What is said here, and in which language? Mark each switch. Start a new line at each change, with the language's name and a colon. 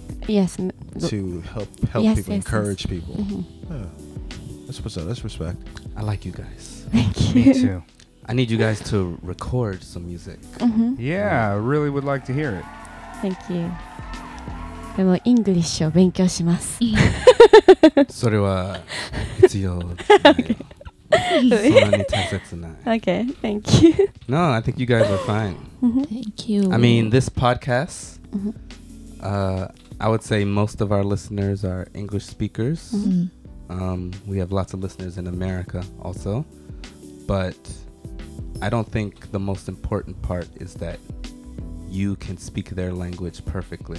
English: Yes. To help yes, people, yes, encourage yes. people. Mm-hmm. Yeah. That's respect. I like you guys. Thank you. Me too. I need you guys to record some music. Mm-hmm. Yeah, I really would like to hear it. Thank you.
Japanese: でも English を勉強します。それは必要ないよ。そんなに大切ない。
English: Okay, thank you. No, I think you guys are fine. Thank you. I mean, this podcast, I would say most of our listeners are English speakers. We have lots of listeners in America also, but I don't think the most important part is that you can speak their language perfectly.